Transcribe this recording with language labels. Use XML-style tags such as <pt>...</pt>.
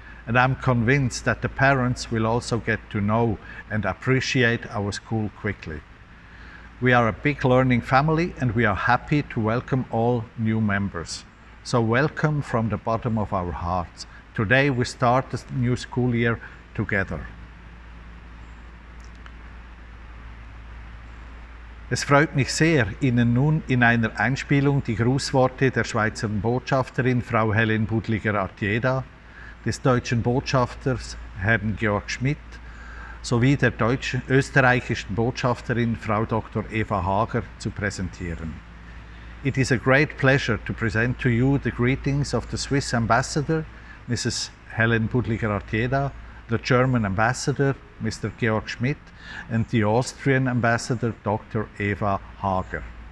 <en>And I'm convinced that the parents will also get to know and appreciate our school quickly. We are a big learning family and we are happy to welcome all new members. So welcome from the bottom of our hearts. Today we start the new school year together.</en> <de>Es freut mich sehr, Ihnen nun in einer Einspielung die Grußworte der Schweizer Botschafterin Frau Helen Budliger-Artieda, des deutschen Botschafters Herrn Georg Schmidt sowie der österreichischen Botschafterin Frau Dr. Eva Hager zu präsentieren.</de> <en>It is a great pleasure to present to you the greetings of the Swiss Ambassador, Mrs. Helen Budliger-Artieda, the German Ambassador, Mr. Georg Schmidt, and the Austrian Ambassador, Dr. Eva Hager.</en>